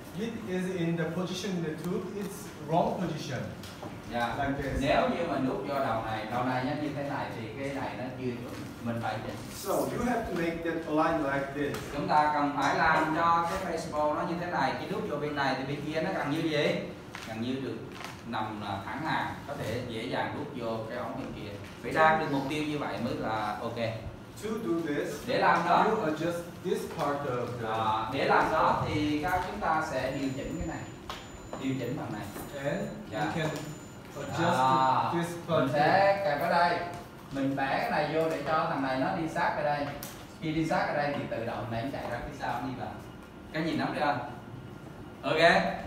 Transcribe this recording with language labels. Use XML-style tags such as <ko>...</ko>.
<en>It is in the position the tooth. It's wrong position. Yeah. Like this.</en> <vi>Nếu như mình đút vô đầu này như thế này thì cái này nó chưa mình phải chỉnh.</vi> <en>So you have to make that align like this.</en> <vi>Chúng ta cần phải làm cho cái baseball nó như thế này. Khi đút vô bên này thì bên kia nó càng như gì? Càng như được nằm thẳng hàng, có thể dễ dàng đút vô cái ống bên kia. Phải đạt được mục tiêu như vậy mới là ok.</vi> <en>To do this,</en> <vi>để làm đó,</vi> <en>you adjust this part of the.</en> <vi>Để làm đó thì các chúng ta sẽ điều chỉnh cái này, điều chỉnh bằng này.</vi> <en>And yeah. You can adjust this part.</en> <vi>Mình sẽ kẹp ở đây, mình bẻ cái này vô để cho thằng này nó đi sát ở đây. Khi đi sát ở đây thì tự động này chạy ra phía sau đi vào. Cái gì nắm được không? Ok.</vi>